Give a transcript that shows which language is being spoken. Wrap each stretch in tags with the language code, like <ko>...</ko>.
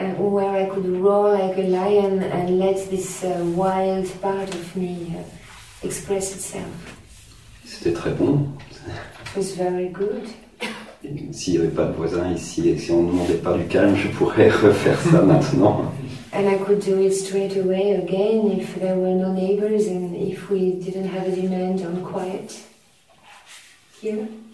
<en>Where I could roar like a lion and let this wild part of me express itself.</en> <fr>C'était très bon.</fr> <en>It was very good.</en> <fr>S'il n'y avait pas de voisins ici et si on ne demandait pas du calme, je pourrais refaire ça maintenant.</fr> <en>And I could do it straight away again if there were no neighbors and if we didn't have a demand on quiet here.</en>